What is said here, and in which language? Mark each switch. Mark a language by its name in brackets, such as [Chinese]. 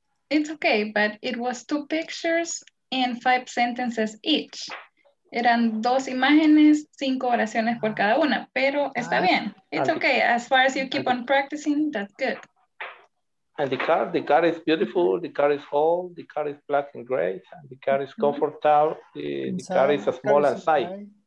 [English] It's okay, but it was 2 pictures and 5 sentences each. [Spanish] Eran 2 imágenes, 5 oraciones por cada una, pero está bien. [English] It's okay, as far as you keep on practicing, that's good. And the car is beautiful, the car is old, the car is black and gray, and the car is comfortable, the car is small and size.